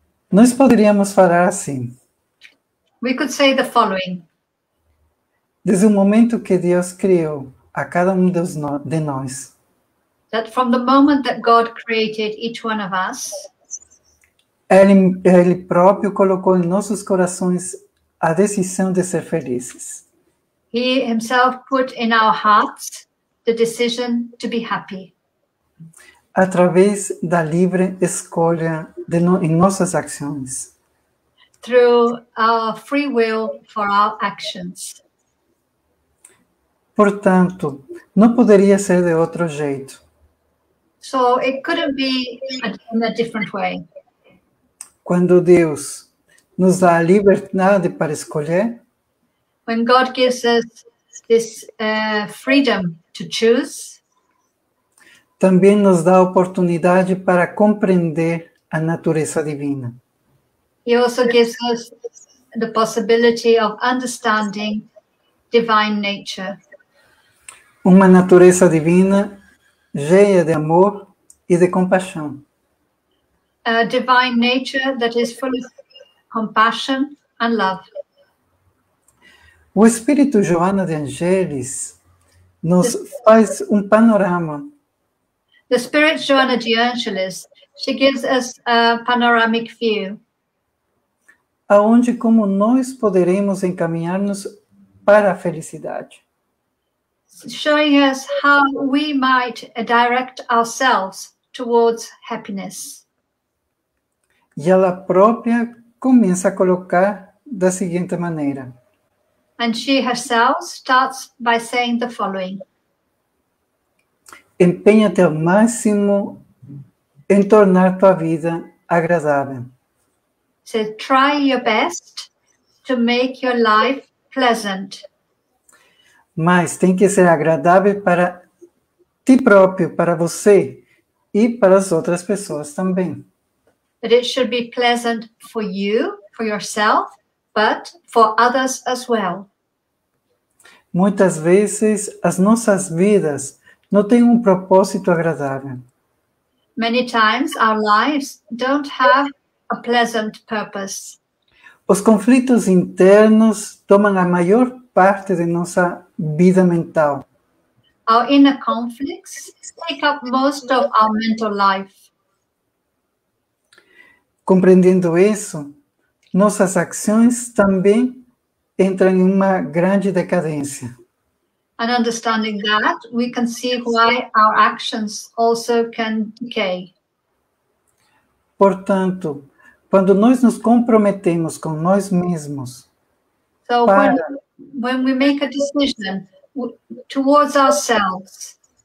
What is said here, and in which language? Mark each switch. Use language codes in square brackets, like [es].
[pt] Nós poderíamos falar assim. [en] We could say the following. [pt] Desde o momento que Deus criou a cada de nós. [en] That from the moment that God created each one of us, [pt] Ele próprio colocou em nossos corações a decisão de ser felizes. [en] He himself put in our hearts the decision to be happy. [pt] Através da livre escolha de em nossas ações. [en] Through our free will for our actions. [pt] Portanto, não poderia ser de outro jeito. [en] So it couldn't be in a different way. [pt] Quando Deus nos dá a liberdade para escolher, [en] when God gives us this freedom to choose. [pt] Também nos dá a oportunidade para compreender a natureza divina. [en] He also gives us the possibility of understanding divine nature. [pt] Uma natureza divina cheia de amor e de compaixão. [en] A divine nature that is full of compassion and love. [pt] O Espírito Joana de Angelis nos faz um panorama. [en] The Spirit Joana de Angelis, she gives us a panoramic view. [pt] Aonde como nós poderemos encaminhar-nos para a felicidade. [en] Showing us how we might direct ourselves towards happiness. [pt] E ela própria começa a colocar da seguinte maneira. [en] And she herself starts by saying the following. [pt] Empenha-te ao máximo em tornar tua vida agradável. [en] So try your best to make your life pleasant. [pt] Mas tem que ser agradável para ti próprio, para você e para as outras pessoas também. [en] But it should be pleasant for you, for yourself, but for others as well. [pt] Muitas vezes as nossas vidas não têm propósito agradável. [en] Many times our lives don't have a pleasant purpose. [pt] Os conflitos internos tomam a maior parte de nossa vida mental. [en] Our inner conflicts take up most of our mental life. [pt] Compreendendo isso, nossas ações também entram em uma grande decadência. [en] And understanding that, we can see why our actions also can decay. [pt] Portanto, quando nós nos comprometemos com nós mesmos, [en] so para when we make a decision towards ourselves,